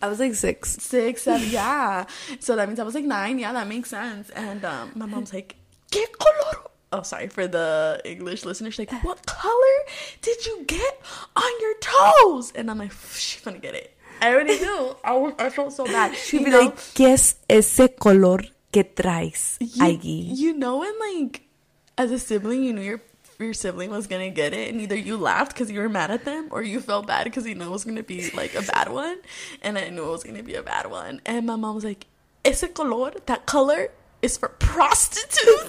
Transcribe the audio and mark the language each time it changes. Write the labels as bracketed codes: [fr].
[en] I was like six, seven. Yeah. So that means I was like 9. Yeah, that makes sense. And my mom's like, [es] ¿qué color? [en] Oh, sorry for the English listeners. She's like, what color did you get on your toes? And I'm like, she's gonna get it. I already knew. I felt so bad. She'd be like, [es] ¿qué es ese color que traes, Aggie? [en] You know when, like, as a sibling, you knew your sibling was gonna get it, and either you laughed because you were mad at them, or you felt bad because you know it was gonna be, like, a bad one. And I knew it was gonna be a bad one. And my mom was like, [es] ese color, [en] that color, is for prostitutes.